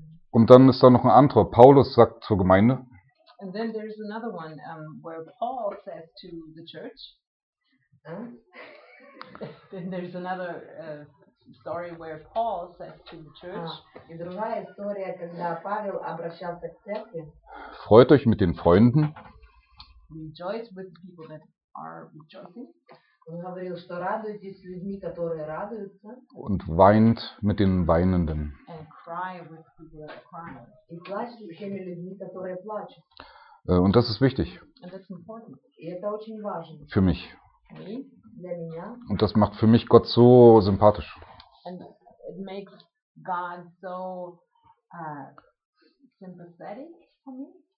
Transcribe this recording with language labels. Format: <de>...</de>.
<de>Und dann ist da noch ein anderer. Paulus sagt zur Gemeinde.</de> <en>And then there's another one where Paul says to the church. Then there's another story where Paul says to the church.</en> <ru>И другая история, когда Павел обращался к церкви.</ru> <de>Freut euch mit den Freunden.</de> <en>Rejoice with the people that are rejoicing.</en> <ru>Он говорил, что радуйтесь с людьми, которые радуются.</ru> <de>Und weint mit den Weinenden.</de> <en>And cry with people that are crying.</en> <ru>И плачет с теми людьми, которые плачут.</ru> <de>Und das ist wichtig.</de> <en>And that's important.</en> <ru>И это очень важно.</ru> <de>Für mich.</de> <en>Me?</en> <ru>Для меня.</ru> <de>Und das macht für mich Gott so sympathisch.</de> <en>And it makes God so sympathetic for me.</en>